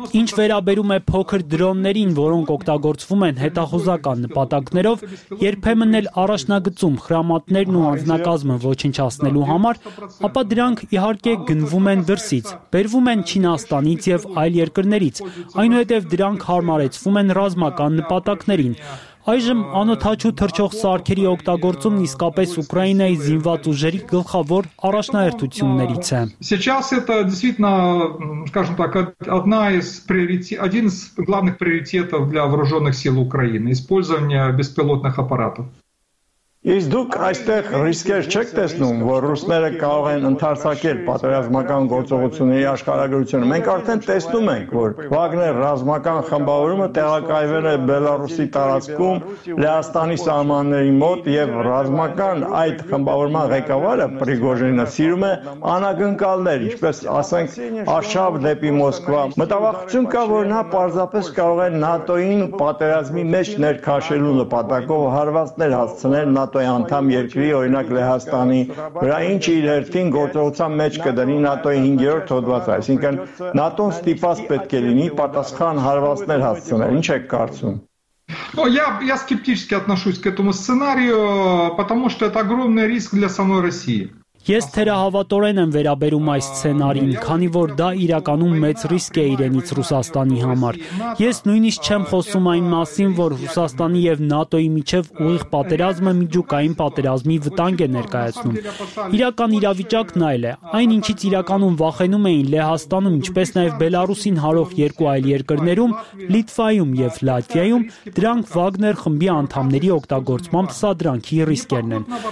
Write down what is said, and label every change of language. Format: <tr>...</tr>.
<hy>Ինչ վերաբերում է փոքր դրոններին, որոնք օգտագործվում են հետախուզական նպատակներով, երբեմն էլ առաջնագծում խրամատներն ու անձնակազմը ոչնչացնելու համար, ապա դրանք իհարկե գնվում են դրսից, բերվում են Չինաստանից և այլ երկրներից, այնուհետև դրանք հարմարեցվում են ռազմական նպատակներին։ Այժմ անօթաչու թռչող սարքերի օգտագործումն իսկապես Ուկրաինայի զինված ուժերի գլխավոր առաջնահերթություններից է։</hy> <ru>Сейчас это действительно, скажем так, одна из приоритетов, один из главных приоритетов для вооружённых сил Украины использование беспилотных аппаратов.</ru> <hy>Իսկ դուք այստեղ ռիսկեր չեք տեսնում, որ ռուսները կարող են ընդարձակել պատերազմական գործողությունների աշխարհագրությունը։ Մենք արդեն տեսնում ենք, որ Վագներ ռազմական խմբավորումը տեղակայվել է Բելարուսի տարածքում, Լեհաստանի սահմանների մոտ, եւ ռազմական այդ խմբավորման ղեկավարը Պրիգոժինը սիրում է անակնկալներ, ինչպես ասենք, արշավ դեպի Մոսկվա։ Մտավախություն կա, որ նա պարզապես կարող է ՆԱՏՕ-ին պատերազմի մեջ ներքաշելու նպատակով հարվածներ հասցնել ՆԱՏՕ-ի անդամ երկրի, օրինակ Լեհաստանի, որը ինչ իր հերթին գործողության մեջ կդնի ՆԱՏՕ-ի 5-րդ հոդվածը, այսինքն ՆԱՏՕ-ն ստիպված պետք է լինի պատասխան հարվածներ հասցնել։ Ինչ եք կարծում։</hy> <ru>Но я скептически отношусь к этому сценарию, потому что это огромный риск для самой России.</ru> <hy>Ես թերահավատորեն եմ վերաբերում այս սցենարին, քանի որ դա իրականում մեծ ռիսկ է իրենից Ռուսաստանի համար։ Ես նույնիսկ չեմ խոսում այն մասին, որ Ռուսաստանի եւ ՆԱՏՕ-ի միջև ուղիղ պատերազմը միջուկային պատերազմի վտանգ է ներկայացնում։ Իրական իրավիճակն այլ է։ Այնինչից իրականում վախենում էին Լեհաստանում, ինչպես նաեւ Բելարուսին հարող երկու այլ երկրներում, Լիտվայում եւ Լատվիայում, դրանք Վագներ խմբի անդամների օգտագործմամբ սադրանքի ռիսկերն են։</hy>